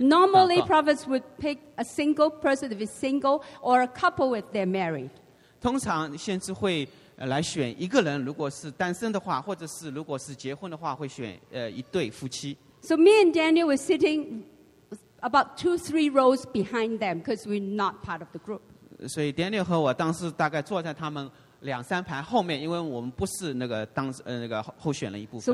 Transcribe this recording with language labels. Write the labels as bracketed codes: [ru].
[en] Normally, prophets would pick a single person if it's single or a couple if they're married. [zh] 通常先知会 来选一个人，如果是单身的话，或者是如果是结婚的话，会选一对夫妻。 [en] So me and Daniel were sitting about 2-3 rows behind them because we're not part of the group. [zh] 所以 Daniel 和我当时大概坐在他们两三排后面，因为我们不是那个候选的一部分。